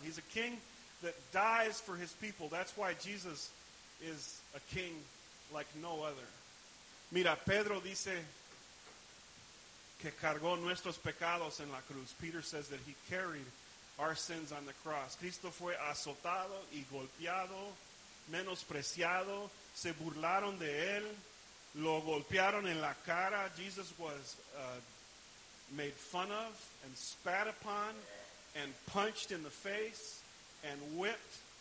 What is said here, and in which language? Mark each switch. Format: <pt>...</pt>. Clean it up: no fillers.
<en>He's a king that dies for his people. That's why Jesus is a king like no other.</en> <es>Mira, Pedro dice que cargó nuestros pecados en la cruz.</es> <en>Peter says that he carried our sins on the cross.</en> <es>Cristo fue azotado y golpeado, menospreciado. Se burlaron de él. Lo golpearon en la cara.</es> <en>Jesus was made fun of and spat upon and punched in the face and whipped.</en>